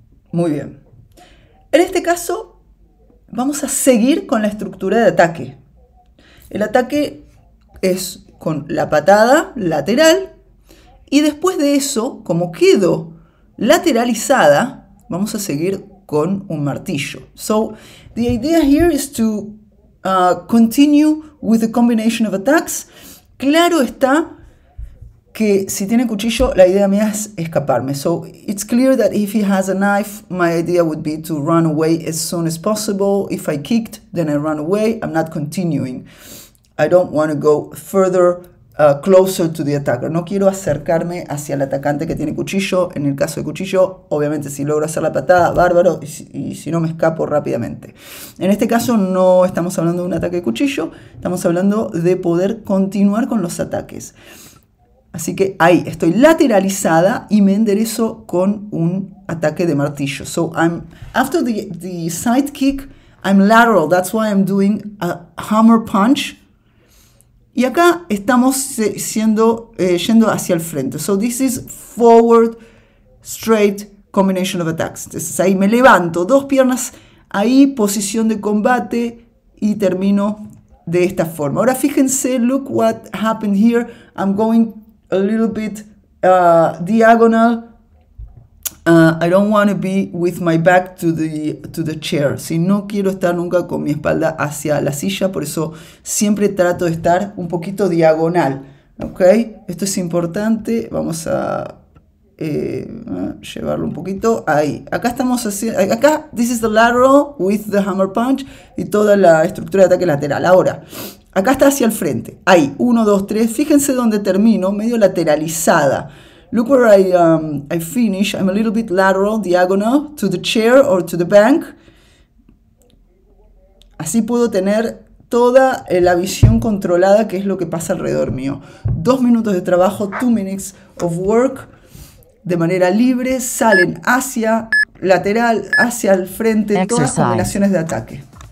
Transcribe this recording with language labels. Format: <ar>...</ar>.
<es>Muy bien. En este caso, vamos a seguir con la estructura de ataque. El ataque es con la patada lateral y después de eso, como quedo lateralizada, vamos a seguir con un martillo.</es> <en>So, the idea here is to continue with the combination of attacks.</en> <es>Claro está que si tiene cuchillo, la idea mía es escaparme.</es> <en>So, it's clear that if he has a knife, my idea would be to run away as soon as possible. If I kicked, then I run away. I'm not continuing. I don't want to go further. Closer to the attacker.</en> <es>No quiero acercarme hacia el atacante que tiene cuchillo. En el caso de cuchillo, obviamente si logro hacer la patada, bárbaro, y si no me escapo rápidamente. En este caso no estamos hablando de un ataque de cuchillo, estamos hablando de poder continuar con los ataques. Así que ahí estoy lateralizada y me enderezo con un ataque de martillo.</es> <en>So I'm after the sidekick, I'm lateral. That's why I'm doing a hammer punch.</en> <es>Y acá estamos yendo hacia el frente.</es> <en>So this is forward, straight combination of attacks.</en> <es>Entonces ahí me levanto, dos piernas ahí, posición de combate y termino de esta forma. Ahora fíjense,</es> <en>look what happened here. I'm going a little bit diagonal. I don't want to be with my back to the chair.</en> <es>Si no quiero estar nunca con mi espalda hacia la silla, por eso siempre trato de estar un poquito diagonal. Ok, esto es importante. Vamos a llevarlo un poquito ahí. Acá estamos haciendo. Acá,</es> <en>this is the lateral with the hammer punch</en> <es>y toda la estructura de ataque lateral. Ahora, acá está hacia el frente. Ahí, 1, 2, 3. Fíjense dónde termino, medio lateralizada.</es> <en>Look where I finish. I'm a little bit lateral, diagonal, to the chair or to the bank.</en> <es>Así puedo tener toda la visión controlada, que es lo que pasa alrededor mío. 2 minutos de trabajo,</es> <en>2 minutes of work,</en> <es>de manera libre, salen hacia lateral, hacia el frente, exercise. Todas combinaciones de ataque.</es>